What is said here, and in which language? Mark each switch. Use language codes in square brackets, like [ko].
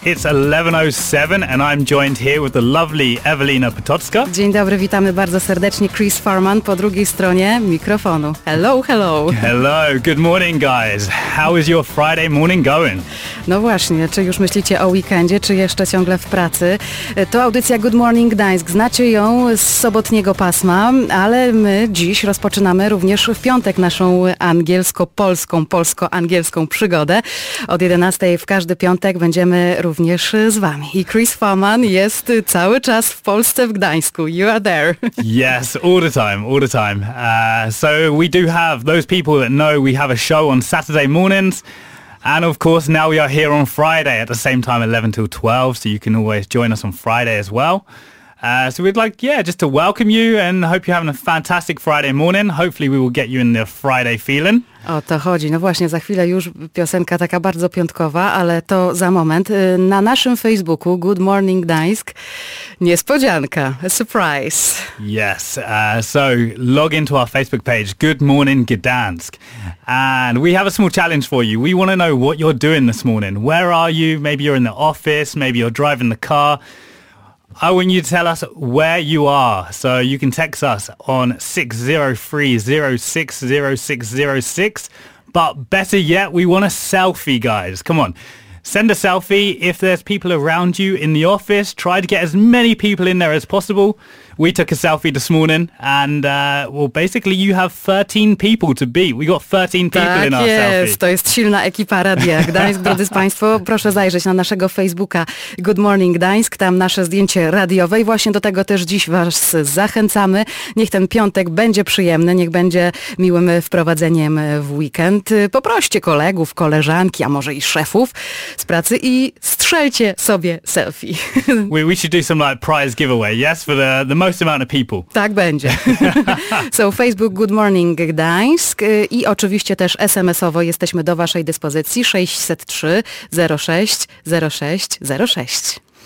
[en] It's 11:07 and I'm joined here with the lovely Ewelina Potocka. [pl] Dzień dobry, witamy bardzo serdecznie. Chris Farman po drugiej stronie mikrofonu. [en] Hello, hello. Hello, good morning, guys. How is your Friday morning going? [pl] No właśnie, czy już myślicie o weekendzie, czy jeszcze ciągle w pracy? To audycja Good Morning Gdańsk. Znacie ją z sobotniego pasma, ale my dziś rozpoczynamy również w piątek naszą angielsko-polską, polsko-angielską przygodę. Od 11 w każdy piątek będziemy również z wami. I Chris Farman jest cały czas w Polsce, w Gdańsku. [en] You are there. Yes, all the time, all the time. So we do have those people that know we have a show on Saturday mornings. And of course, now we are here on Friday at the same time, 11 till 12, so you can always join us on Friday as well. So we'd like, yeah, just to welcome you and hope you're having a fantastic Friday morning. Hopefully we will get you in the Friday feeling. [pl] O to chodzi. No właśnie, za chwilę już piosenka taka bardzo piątkowa, ale to za moment. Na naszym Facebooku Good Morning Gdańsk, niespodzianka, [en] a surprise. Yes, so log into our Facebook page, Good Morning Gdańsk. And we have a small challenge for you. We want to know what you're doing this morning. Where are you? Maybe you're in the office, maybe you're driving the car. I want you to tell us where you are, so you can text us on 603-060-606, but better yet, we want a selfie, guys. Come on, send a selfie. If there's people around you in the office, try to get as many people in there as possible. We took a selfie this morning, and well, basically, you have 13 people to beat. We got 13 people [pl] tak [en] in our [pl] jest. [en] Selfie. [pl] Tak jest, to jest silna ekipa radia. Gdańsk, drodzy Państwo, proszę zajrzeć na naszego Facebooka Good Morning Gdańsk, tam nasze zdjęcie radiowe i właśnie do tego też dziś Was zachęcamy. Niech ten piątek będzie przyjemny, niech będzie miłym wprowadzeniem w weekend. Poproście kolegów, koleżanki, a może i szefów z pracy i strzelcie sobie selfie. [en] We should do some like prize giveaway, yes, for the most amount of people. [pl] Tak będzie. So Facebook Good Morning Gdańsk i oczywiście też SMS-owo jesteśmy do Waszej dyspozycji 603 06 06 06.